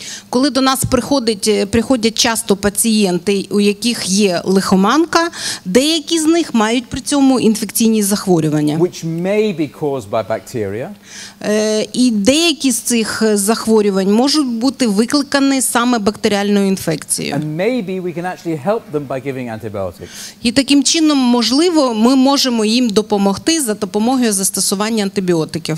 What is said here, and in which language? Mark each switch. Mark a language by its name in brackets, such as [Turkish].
[Ukrainian] Коли до нас приходять часто пацієнти, у яких є лихоманка, деякі з них мають при цьому інфекційні захворювання. [English] Which may be caused by bacteria. [Ukrainian] І деякі з цих захворювань можуть бути викликані саме бактеріальною інфекцією. [English] And maybe we can actually help them by giving antibiotics. [Ukrainian] І таким чином, можливо, ми можемо їм допомогти за допомогою застосування антибіотиків.